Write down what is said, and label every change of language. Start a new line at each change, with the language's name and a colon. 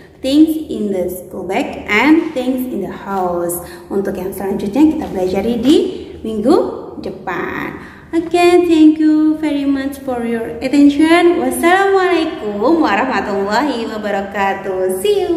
English: Things in the school bag and things in the house.
Indonesian: Untuk yang selanjutnya kita belajar di minggu depan.
English: Again, thank you very much for your attention.
Arabic: Wassalamualaikum warahmatullahi wabarakatuh.
English: See you.